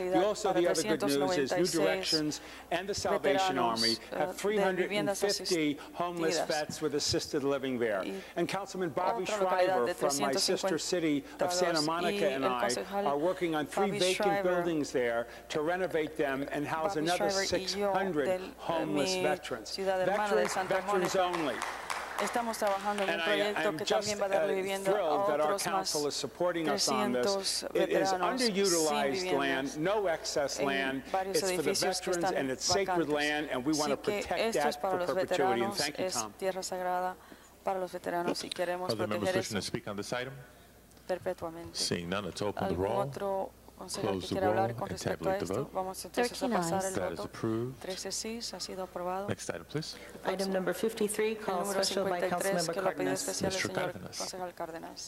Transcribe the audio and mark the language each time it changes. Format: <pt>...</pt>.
<en>Also, the other good news is New Directions and the Salvation Army have 350 homeless vets with assisted living there. And Councilman Bobby Shriver from my sister city of Santa Monica and I are working on 3 vacant buildings there to renovate them and house another 600 homeless vets. Veterans, veterans only.</en> <es>Estamos trabajando en un proyecto que también va a dar vivienda a otros más 300 veteranos.</es> <en>It is underutilized land, no excess land. It's for the veterans and it's sacred land, and we want to protect that for perpetuity. And thank you, Tom.</en> <es>Es tierra sagrada para los veteranos y queremos proteger eso.</es> <en>Are there members wishing to speak on this item?</en> <es>Perpetuamente.</es> <en>Seeing none, let's open the roll. close the roll and tabulate the vote. 13 ayes. That is approved. 13 ayes.</en> <es>Ha sido aprobado.</es> <en>Next item, please. Item number 53, called special by Councilmember Cardenas. Mr. Cardenas.</en>